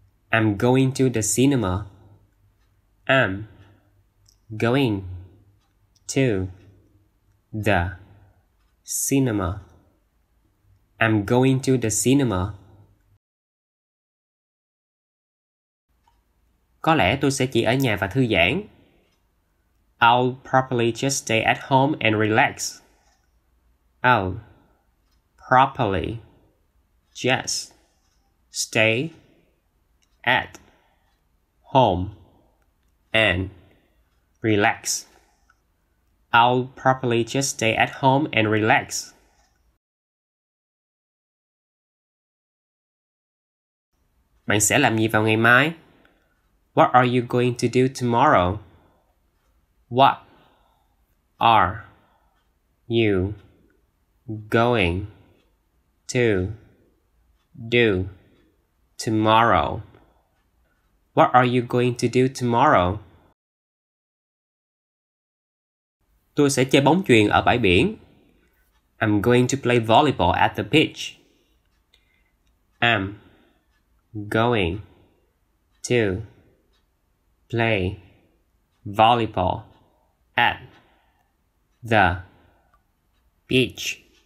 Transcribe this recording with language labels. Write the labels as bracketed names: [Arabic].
[English] I'm going to the cinema. I'm going to the cinema. I'm going to the cinema. [Vietnamese] Có lẽ tôi sẽ chỉ ở nhà và thư giãn. [English] I'll probably just stay at home and relax. I'll probably just stay at home and relax. I'll probably just stay at home and relax. [Vietnamese] Bạn sẽ làm gì vào ngày mai? [English] What are you going to do tomorrow? What are you going to do tomorrow. What are you going to do tomorrow? [Vietnamese] Tôi sẽ chơi bóng chuyền ở bãi biển. [English] I'm going to play volleyball at the beach. I'm going to play volleyball at the beach.